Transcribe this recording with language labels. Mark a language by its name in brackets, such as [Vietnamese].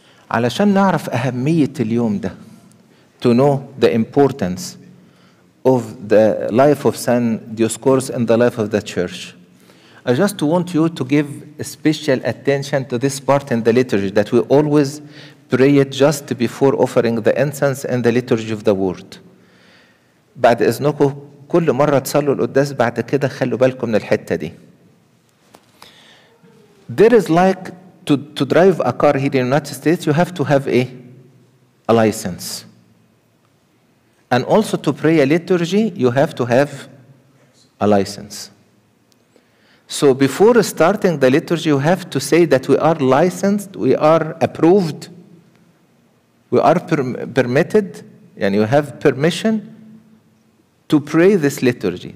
[Arabic] علشان نعرف أهمية اليوم ده, [English] to know the importance of the life of Saint Dioscorus and the life of the Church. I just want you to give special attention to this part in the liturgy that we always pray it just before offering the incense and the liturgy of the word. [Arabic] بعد إذنكم كل مرة تصلوا القداس بعد كده خلوا بالكم من الحتة دي. [English] There is like to drive a car here in the United States, you have to have a license. And also to pray a liturgy, you have to have a license. So before starting the liturgy, you have to say that we are licensed, we are approved, we are permitted, and you have permission to pray this liturgy.